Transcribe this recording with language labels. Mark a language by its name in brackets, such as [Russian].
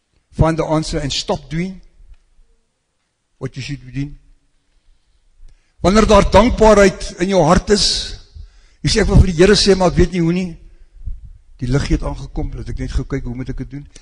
[English] Find the answer and stop doing what you should be doing. [Afrikaans] Wanneer daar dankbaarheid in jou hart is, jy sê ek wil vir die Here sê, maar ek weet nie hoe nie. Die liggie het aangekom, dat ek net gou kyk, hoe moet ek het doen?